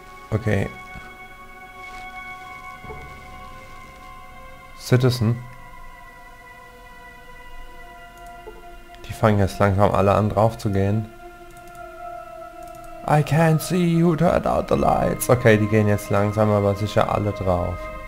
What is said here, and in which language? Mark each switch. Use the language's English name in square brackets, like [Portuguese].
[English] Okay. Citizen. [German] Die fangen jetzt langsam alle an drauf zu gehen. [English] I can't see who turned out the lights. [German] Okay, die gehen jetzt langsam aber sicher alle drauf.